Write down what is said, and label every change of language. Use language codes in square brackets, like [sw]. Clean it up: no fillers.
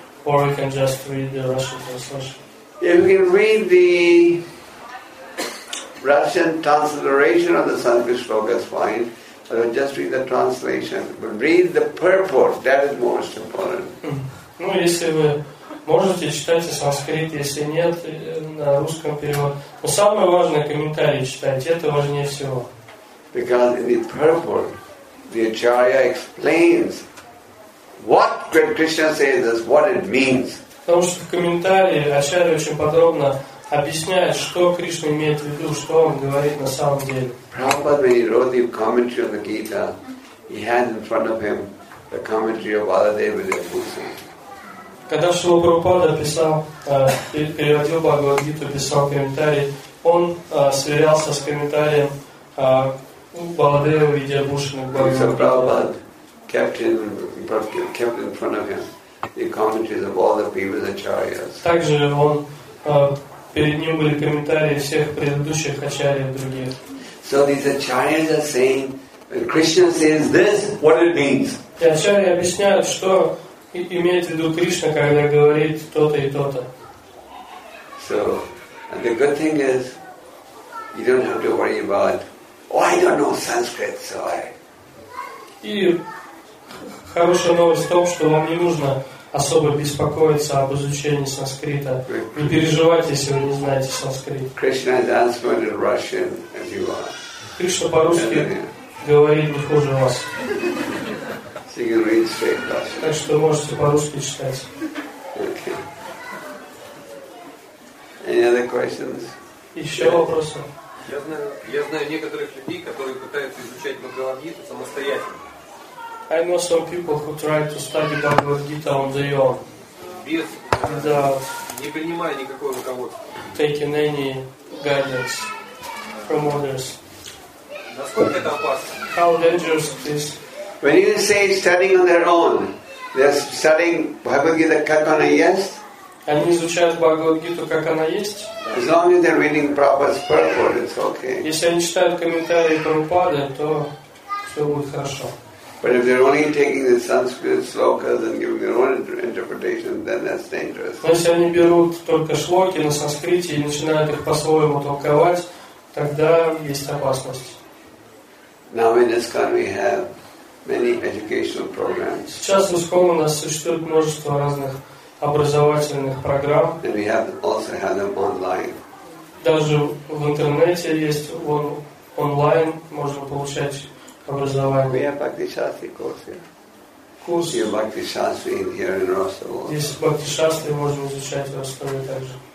[en] Or we can just read the Russian translation? Yeah, we can read the Russian transliteration of the Sanskrit slokas, fine. But we'll just read the translation. But read the purport, that is most important. [ru] Ну, если вы можете читать на санскрите, если нет, на русском перевод. Но самое важное, комментарии читать, это важнее всего. [en] Because in the purport, the Acharya explains what when Krishna says this, what it means. [ru] Потому что в комментарии Ачарья очень подробно объясняет, что Кришна имеет в виду, что он говорит на самом деле. [en] Prabhupada, when he wrote the commentary on the Gita, he had in front of him the commentary of Baladeva Devadasi. [ru] Когда Шрила Прабхупада писал, переводил Бхагавад-гиту, писал комментарий, он сверялся с комментарием Баладева Видьябушина к Бхагавад-гиту. Также он, перед ним были комментарии всех предыдущих ачарьев других. [en] So these acharyas are saying, when Krishna says this, what it means. [ru] И ачарьи объясняют, что имеет в виду Кришна, когда говорит то-то и то-то. [en] So, and the good thing is, you don't have to worry about, oh, I don't know Sanskrit, so I... [ru] И хорошая новость в том, что вам не нужно особо беспокоиться об изучении санскрита. Не переживайте, если вы не знаете санскрит. [en] Krishna is answering in Russian, as you are. [ru] Кришна по-русски говорит не хуже вас. [en] So you can read straight Russian. [ru] Так что можете по-русски читать. [en] Okay. Any other questions? [ru] Еще вопросы? Я знаю некоторых людей, которые пытаются изучать Бхагавад-гиту самостоятельно. [en] I know some people who try to study Bhagavad-gita on their own. [ru] Без, не принимая никакого руководства. [en] Taking any guidance from others. [ru] Насколько это опасно? [en] How dangerous it is. When you say studying on their own, they're studying Bhagavad Gita [ru] как она есть? Они изучают Бхагавад Гиту как она есть? [en] As long as they're reading Prabhupada's purport, it's okay. [ru] Если они читают комментарии Прабхупады, то все будет хорошо. [en] But if they're only taking the Sanskrit slokas and giving their own interpretation, then that's dangerous. [ru] Но если они берут только шлоки на санскрите и начинают их по-своему толковать, тогда есть опасность. [en] Now in ISKCON we have many educational programs. [ru] Сейчас в ИСККОН у нас существует множество разных образовательных программ. [en] And we have also have them online. [ru] Даже в интернете есть онлайн можно получать образование. [en] We have Bhakti-Shastri course here. [ru] Курс. [en] We have Bhakti-Shastri here in Rostov. [ru] Здесь Бхакти-Шастри можно изучать в Ростове также.